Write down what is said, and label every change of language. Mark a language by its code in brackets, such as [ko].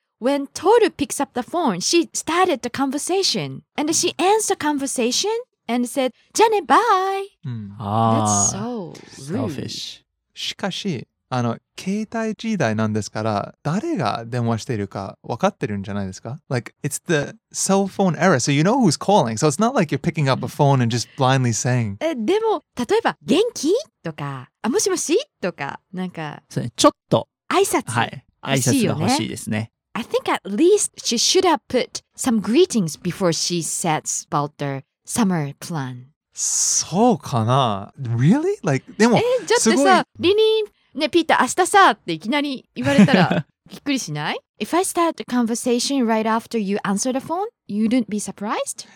[en] When Toru picks up the phone, she started the conversation. And she ends the conversation and said, [ja] じゃね、 [en] bye!、That's so rude. Selfish. [ja] しかし、あの、携帯時代なんですから、誰が電話しているか分かってるんじゃないですか? [en] Like, it's the cell phone era, so you know who's calling. So it's not like you're picking up a phone and just blindly saying. [ja] でも、例えば、元気?とか、あ、もしもし? とか、なんか、それちょっと、挨拶、はい、挨拶が欲しいですね。 [en] I think at least she should have put some greetings before she sets about their summer plan. [ja] そうかな? [en] Really? Like, [ja] でも、ちょっとさ、リニー、ね、ピーター、明日さ、っていきなり言われたら、びっくりしない? [en] If I start a conversation right after you answer the phone, you wouldn't be surprised?